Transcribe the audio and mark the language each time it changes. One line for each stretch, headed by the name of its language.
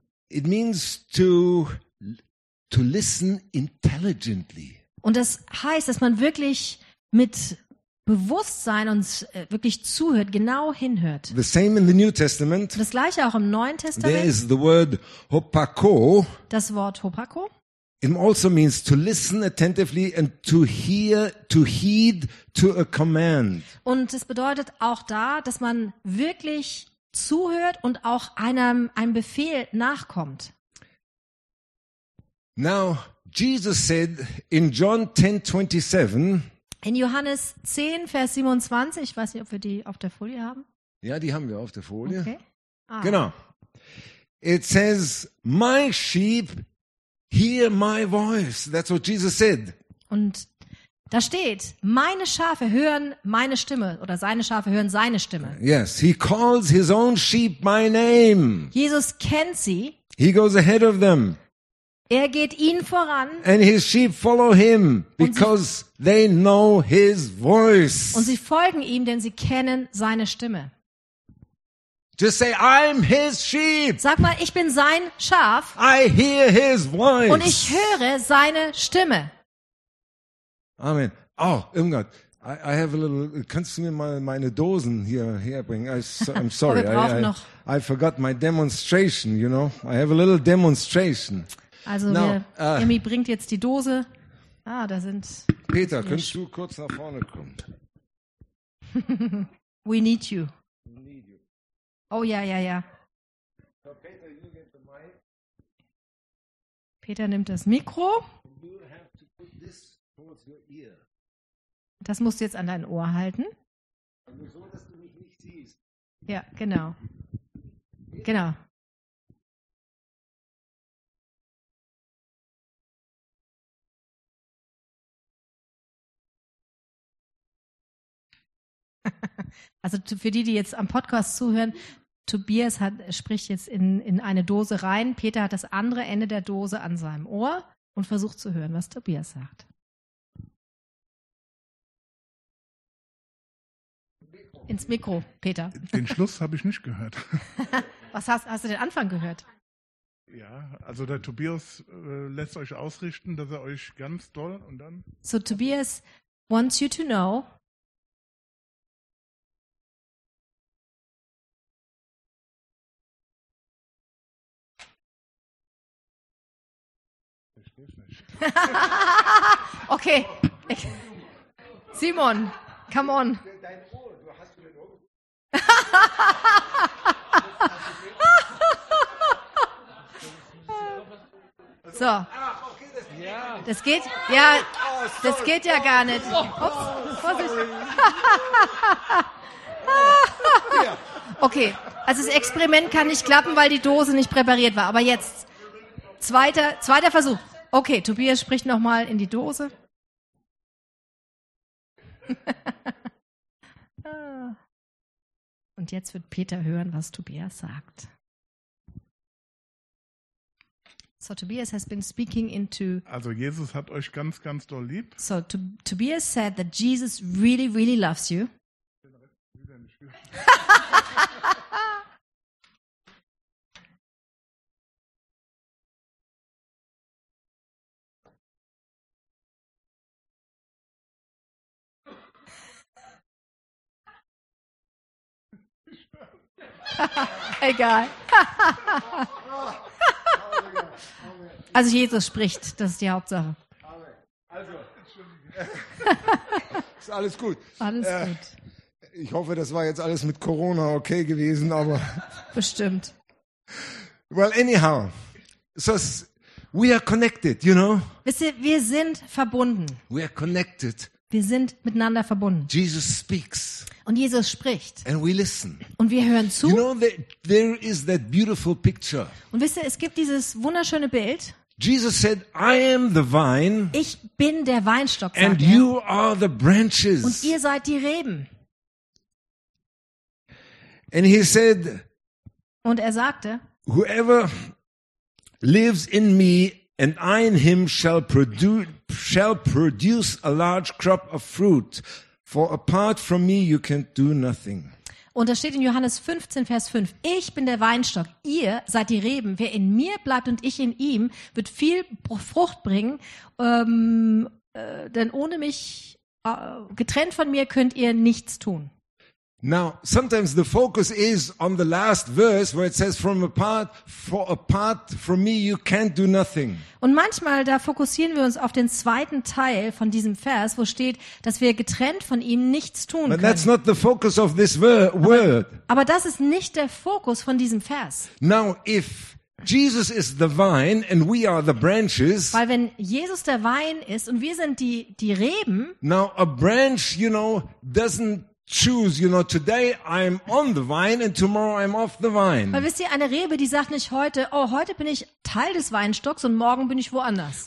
English: It means to listen intelligently.
German: Und das heißt, dass man wirklich mit Bewusstsein uns wirklich zuhört, genau hinhört.
English: The same in the New Testament.
German: Das gleiche auch im Neuen Testament.
English: There is the word hopako.
German: Das Wort hopako.
English: It also means to listen attentively and to hear, to heed to a command.
German: Und es bedeutet auch da, dass man wirklich zuhört und auch einem Befehl nachkommt.
English: Now Jesus said in John 10:27.
German: In Johannes 10, Vers 27, ich weiß nicht, ob wir die auf der Folie haben. Ja, die haben wir auf der Folie. Okay. Genau.
English: It says, my sheep hear my voice. That's what Jesus said.
German: Und da steht, meine Schafe hören meine Stimme oder seine Schafe hören seine Stimme.
English: Yes, he calls his own sheep my name.
German: Jesus kennt sie.
English: He goes ahead of them.
German: Er geht ihnen voran.
English: And his sheep follow him because they know his voice.
German: Und sie folgen ihm, denn sie kennen seine Stimme.
English: Just say, I'm his sheep.
German: Sag mal, ich bin sein Schaf.
English: I hear his voice.
German: Und ich höre seine Stimme.
English: Amen. Oh, Irmgard, I have a little.
German: Kannst du mir mal meine Dosen hier bringen?
English: I'm sorry.
German: Wir brauchen noch.
English: I forgot my demonstration. You know, I have a little demonstration.
German: Also, now, Emmy bringt jetzt die Dose. Ah, da sind. Peter, könntest du kurz nach vorne kommen?
English: We need you. We need you. Oh, ja. So, Peter, you get the mic.
German: Peter nimmt das Mikro.
English: You have to put this towards your ear.
German: Das musst du jetzt an dein Ohr halten. Also so, dass du mich nicht siehst. Ja, genau. Peter. Genau. Also für die, die jetzt am Podcast zuhören, Tobias spricht jetzt in eine Dose rein. Peter hat das andere Ende der Dose an seinem Ohr und versucht zu hören, was Tobias sagt. Ins Mikro, Peter. Den Schluss habe ich nicht gehört. Was hast du den Anfang gehört? Ja, also der Tobias lässt euch ausrichten, dass er euch ganz doll und dann.
English: So Tobias wants you to know. Okay, Simon, come on.
German: So, das geht, ja, das geht ja gar nicht. Ups, Vorsicht. Okay, also das Experiment kann nicht klappen, weil die Dose nicht präpariert war. Aber jetzt, zweiter Versuch. Okay, Tobias spricht nochmal in die Dose. Und jetzt wird Peter hören, was Tobias sagt.
English: So Tobias has been speaking into.
German: Also Jesus hat euch ganz, ganz doll lieb.
English: So Tobias said that Jesus really, really loves you.
German: Egal. Also Jesus spricht, das ist die Hauptsache. Also, ist alles gut. Alles gut. Ich hoffe, das war jetzt alles mit Corona okay gewesen, aber... Bestimmt.
English: Well, anyhow. So, we are connected, you know?
German: Wisst ihr, wir sind verbunden.
English: We are connected.
German: Wir sind miteinander verbunden.
English: Jesus speaks.
German: Und Jesus spricht.
English: And we listen.
German: Und wir hören zu.
English: You know, there is that beautiful picture.
German: Und wisst ihr, es gibt dieses wunderschöne Bild.
English: Jesus said, I am the vine.
German: Ich bin der Weinstock, sagt
English: and
German: er.
English: You are the branches.
German: Und ihr seid die Reben.
English: And he said,
German: und er sagte,
English: whoever lives in me and I in him shall produce a large crop of fruit. For apart from me you can do nothing.
German: Und das steht in Johannes 15, Vers 5. Ich bin der Weinstock, ihr seid die Reben. Wer in mir bleibt und ich in ihm, wird viel Frucht bringen. Denn ohne mich, getrennt von mir, könnt ihr nichts tun.
English: Now, sometimes the focus is on the last verse where it says, for apart from me, you can't do nothing.
German: Und manchmal, da fokussieren wir uns auf den zweiten Teil von diesem Vers, wo steht, dass wir getrennt von ihm nichts tun können.
English: But that's not the focus of this word.
German: Aber das ist nicht der Fokus von diesem Vers.
English: Now, if Jesus is the vine and we are the branches.
German: Weil wenn Jesus der Wein ist und wir sind die Reben.
English: Now, a branch, you know, doesn't choose, you know, today I'm on the vine and tomorrow I'm off the vine.
German: Weil wisst ihr, eine Rebe, die sagt nicht heute, oh, heute bin ich Teil des Weinstocks und morgen bin ich woanders.